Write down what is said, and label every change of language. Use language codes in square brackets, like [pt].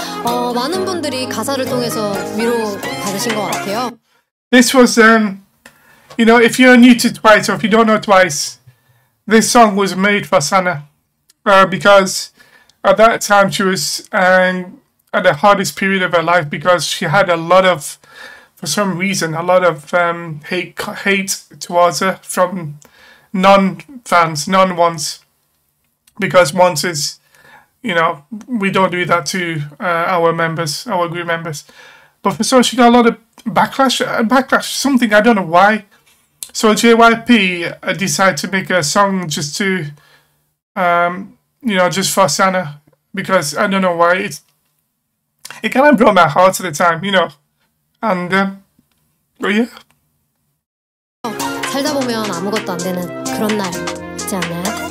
[ko] 많은 분들이 가사를 통해서 위로 받으신 것 같아요. [en] This was, you know, if you're new to Twice or if you don't know Twice, this song was made for Sana because at that time she was at the hardest period of her life because she had a lot of, for some reason, a lot of hate towards her from non-fans, non-ones, because once is, you know, we don't do that to our members, our group members. But for some, she got a lot of backlash, something, I don't know why. So JYP decided to make a song just to, you know, just for Sana, because I don't know why. It kind of broke my heart at the time, you know. And, but yeah. [ko] 살다 보면 아무것도 안 되는 그런 날 있지 않나요?